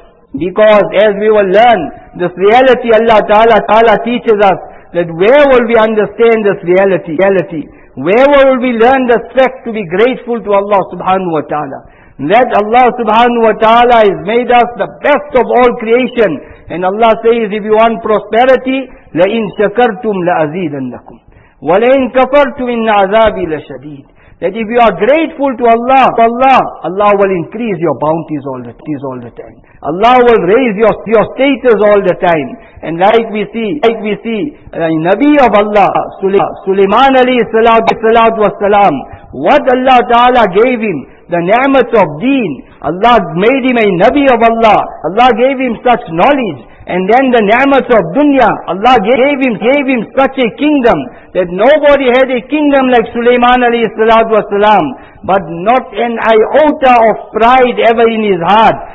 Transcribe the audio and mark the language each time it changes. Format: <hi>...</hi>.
<en>Because as we will learn, this reality Allah Ta'ala teaches us, that where will we understand this reality? Where will we learn the fact to be grateful to Allah subhanahu wa ta'ala? That Allah subhanahu wa ta'ala has made us the best of all creation. And Allah says, if you want prosperity,</en> <ar>لَإِن شَكَرْتُمْ لَأَزِيدَنَّكُمْ وَلَإِن كَفَرْتُمْ إِنَّ عَذَابِي لَشَدِيدٌ.</ar> <en>That if you are grateful to Allah, Allah will increase your bounties all the time. Allah will raise your status all the time. And like we see, the Nabi of Allah, Sulaiman alayhi salatu wasalam, what Allah Ta'ala gave him, the ni'mat of deen, Allah made him a Nabi of Allah, Allah gave him such knowledge, and then the ni'mat of dunya, Allah gave him such a kingdom, that nobody had a kingdom like Sulaiman alayhi salatu wasalam, but not an iota of pride ever in his heart.</en>